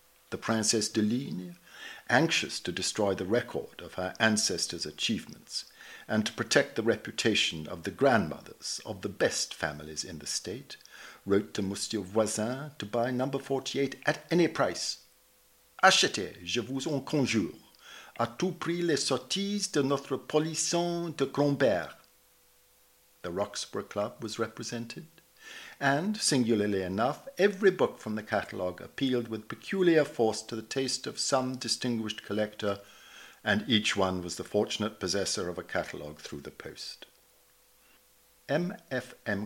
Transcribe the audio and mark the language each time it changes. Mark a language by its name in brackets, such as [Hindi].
[English] The Princess de Ligne, anxious to destroy the record of her ancestors' achievements, and to protect the reputation of the grandmothers of the best families in the state, wrote to Monsieur Voisin to buy number 48 at any price. [French] Achetez, je vous en conjure, à tout prix les sorties de notre polisson de Grandbert. [English] The Roxburgh Club was represented, and, singularly enough, every book from the catalogue appealed with peculiar force to the taste of some distinguished collector and each one was the fortunate possessor of a catalogue through the post. M. F. M.